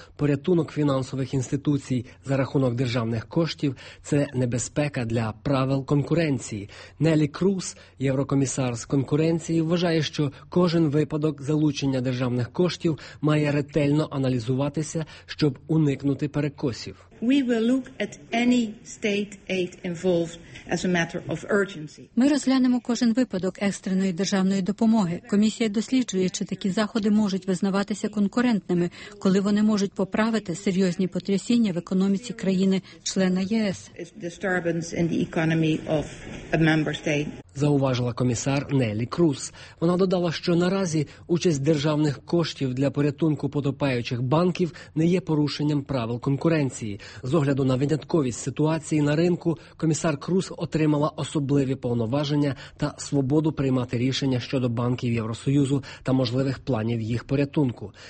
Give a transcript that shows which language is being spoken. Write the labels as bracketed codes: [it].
[uk] Порятунок фінансових інституцій за рахунок державних коштів – це небезпека для правил конкуренції. Нелі Круз, єврокомісар з конкуренції, вважає, що кожен випадок залучення державних коштів має ретельно аналізуватися, щоб уникнути перекосів. [en] We will look at any state aid involved as a matter of urgency. [uk] Ми розглянемо кожен випадок екстреної державної допомоги. Комісія досліджує, чи такі заходи можуть визнаватися конкурентними, коли вони можуть поправити серйозні потрясіння в економіці країни-члена ЄС. [en] Disturbance in the economy of a member state. [uk] Зауважила комісар Нелі Круз. Вона додала, що наразі участь державних коштів для порятунку потопаючих банків не є порушенням правил конкуренції. З огляду на винятковість ситуації на ринку, комісар Круз отримала особливі повноваження та свободу приймати рішення щодо банків Євросоюзу та можливих планів їх порятунку.